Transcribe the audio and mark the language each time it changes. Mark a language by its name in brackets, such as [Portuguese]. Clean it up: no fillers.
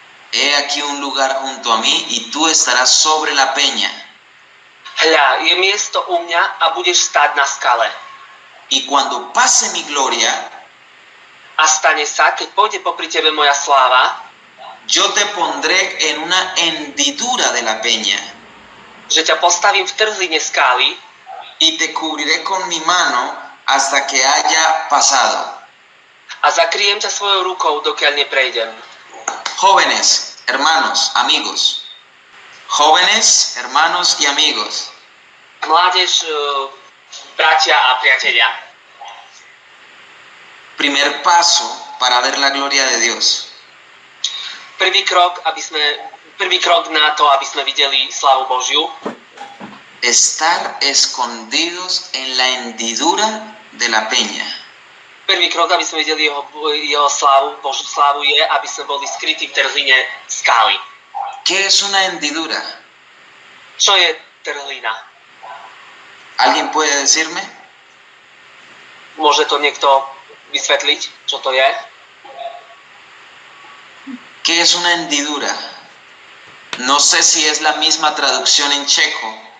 [Spanish] He aquí un lugar junto a mí y tú estarás sobre la peña. [Slovak] Hľa, je miesto u mňa a budeš stáť na skale. [Spanish] Y cuando pase mi gloria. [Slovak] A stane sa, keď pôjde popri tebe moja sláva. [Spanish] Yo te pondré en una hendidura de la peña. [Slovak] Že ťa postavím v trhline skály. [Spanish] Y te cubriré con mi mano hasta que haya pasado. [Slovak] A zakriem ťa svojou rukou, dokiaľ neprejdem. [Spanish] Jóvenes, hermanos, amigos. Jóvenes, hermanos y amigos. [Slovak] Mládež, bratia a priatelia. [Spanish] Primer paso para ver la gloria de Dios. [Slovak] Prvý krok na to, aby sme videli slávu Božiu. [Spanish] Estar escondidos en la hendidura de la peña. [Slovak] Prvý krok, aby sme videli jeho slávu, Božiu slávu, je, aby sme boli skrytí v trhline skály. [Spanish] ¿Qué es una hendidura? [Slovak] Čo je trhlina? [Spanish] ¿Alguien puede decirme? [Slovak] Môže to niekto vysvetliť, čo to je? [Spanish] ¿Qué es una hendidura? No sé si es la misma traducción en checo.